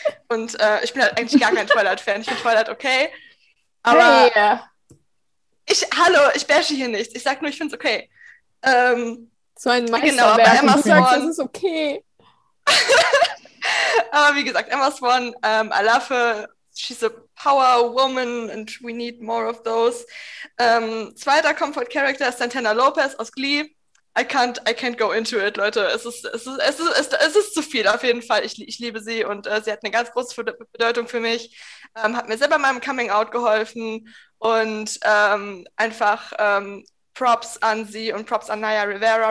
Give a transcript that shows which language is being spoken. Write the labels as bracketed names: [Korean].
[German] Und ich bin halt eigentlich gar kein Twilight-Fan. Ich bin Twilight okay. Aber ich bashe hier nichts. Ich sag nur, ich find's okay. So ein Meister. Genau, aber Emma Swan, gesagt, das ist okay. Aber wie gesagt, [English] Emma Swan, I love her. She's a power woman and we need more of those. [German] Zweiter Comfort Character ist Santana Lopez aus Glee. [English] I can't go into it, [German] Leute. Es ist zu viel auf jeden Fall. Ich liebe sie und sie hat eine ganz große Bedeutung für mich. Hat mir selber meinem Coming Out geholfen und einfach Props an sie und Props an Naya Rivera.